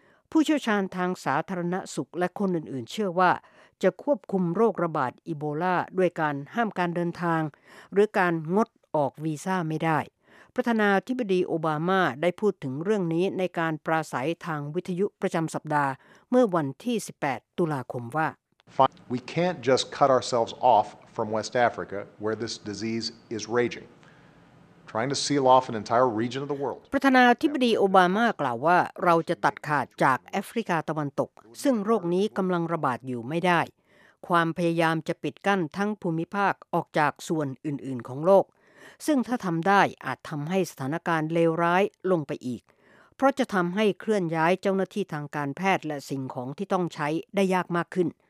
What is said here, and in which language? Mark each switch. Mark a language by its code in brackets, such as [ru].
[th] ผู้เชี่ยวชาญทางสาธารณสุขและคนอื่นๆเชื่อว่าจะควบคุมโรคระบาดอีโบลาด้วยการห้ามการเดินทางหรือการงดออกวีซ่าไม่ได้ประธานาธิบดีโอบามาได้พูดถึงเรื่องนี้ในการปราศัยทางวิทยุประจำสัปดาห์เมื่อวันที่18ตุลาคมว่า [en] We can't just cut ourselves off from West Africa where this disease is raging trying to seal off an entire region of the world [th] ประธานาธิบดีโอบามากล่าวว่าเราจะตัดขาดจากแอฟริกาตะวันตกซึ่งโรคนี้กำลังระบาดอยู่ไม่ได้ความพยายามจะปิดกั้นทั้งภูมิภาคออกจากส่วนอื่นๆของโลกซึ่งถ้าทำได้อาจทำให้สถานการณ์เลวร้ายลงไปอีกเพราะจะทำให้เคลื่อนย้ายเจ้าหน้าที่ทางการแพทย์และสิ่งของที่ต้องใช้ได้ยากมากขึ้น